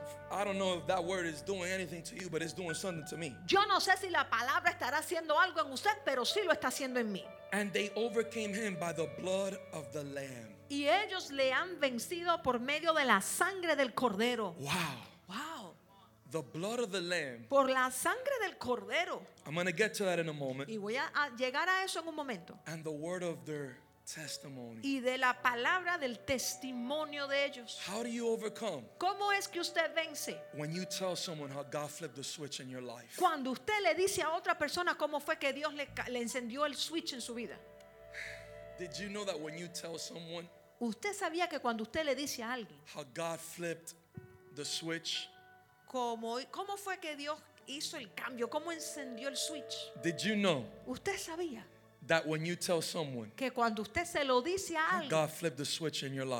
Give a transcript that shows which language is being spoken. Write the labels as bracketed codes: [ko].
[en] I don't know if that word is doing anything to you, but it's doing something to me. [es] Yo no sé si la palabra estará haciendo algo en usted, pero sí lo está haciendo en mí. [en] And they overcame him by the blood of the lamb. [es] Y ellos le han vencido por medio de la sangre del cordero. [en] Wow. Wow. The blood of the lamb. [es] Por la sangre del cordero. [en] I'm going to get to that in a moment. [es] Y voy a llegar a eso en un momento. [en] And the word of their testimony. [es] Y de la palabra del testimonio de ellos. [en] How do you overcome? [es] ¿Cómo es que usted vence? [en] When you tell someone how God flipped the switch in your life. [es] Cuando usted le dice a otra persona cómo fue que Dios le encendió el switch en su vida. [en] Did you know that when you tell someone? [es] ¿Usted sabía que cuando usted le dice a alguien? [en] How God flipped the switch. [es] ¿Cómo fue que Dios hizo el cambio? ¿Cómo encendió el switch? [en] Did you know? [es] ¿Usted sabía? [en] That when you tell someone. [es] Que cuando usted se lo dice a alguien. [en] God flipped the switch in your life.